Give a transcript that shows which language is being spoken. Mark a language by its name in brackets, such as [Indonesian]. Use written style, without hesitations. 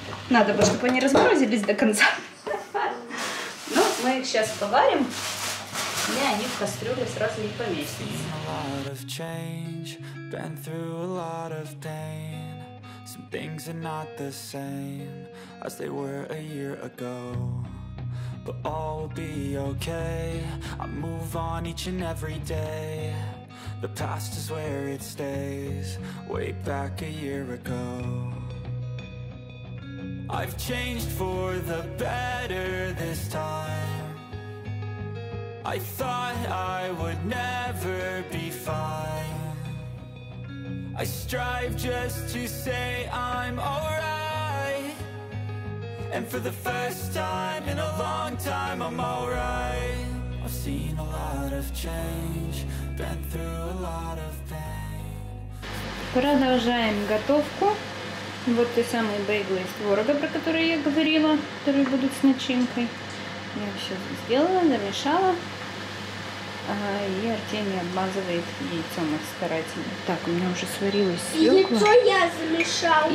[Russian] Надо бы, чтобы они разморозились до конца. их сейчас поварим, и они в кастрюле сразу не поместятся. [English] Some things are not the same as they were a year ago, but all will be okay. I move on each and every day. The past is where it stays, way back a year ago. I've changed for the better this time. I thought I would never be fine. I strive just to say I'm alright. And for the first time in a long time, I'm alright. I've seen a lot of change, been through a lot of pain. [Russian] Продолжаем готовку. Вот те самые бейглы из творога, про которые я говорила, которые будут с начинкой. Я их сейчас сделала, замешала. И Артемий обмазывает яйцом их старательно. Так, у меня уже сварилась свёкла. Яйцо я замешал.